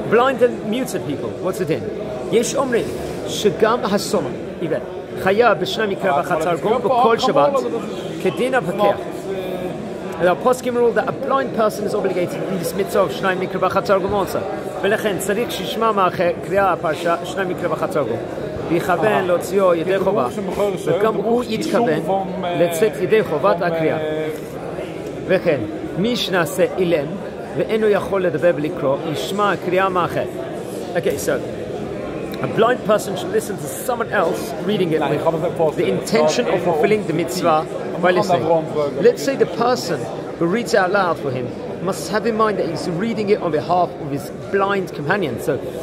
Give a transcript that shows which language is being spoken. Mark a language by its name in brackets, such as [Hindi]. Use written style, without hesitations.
[English] Blind and muted people, what's it in? [Hebrew] יש אומרים שגם הסומא, עיוור, חייב בשני מקרא ואחד תרגום בכל שבת כדין הפקח. [English] The poskim rule that a blind person is obligated in this mitzvah of שני מקרא ואחד תרגום also. [Hebrew] ולכן צריך שישמע מאחר קריאה הפרשה שני מקרא ואחד תרגום. ויכוון להוציאו ידי חובה. וגם הוא יתכוון לצאת ידי חובת הקריאה. וכן, מי שנעשה אילם, ואינו יכול לדבר ולקרוא, ישמע קריאה מאחר. [English] Okay, so a blind person should listen to someone else reading it with the intention of fulfilling the mitzvah by listening. Let's say the person who reads it out loud for him must have in mind that he's reading it on behalf of his blind companion. So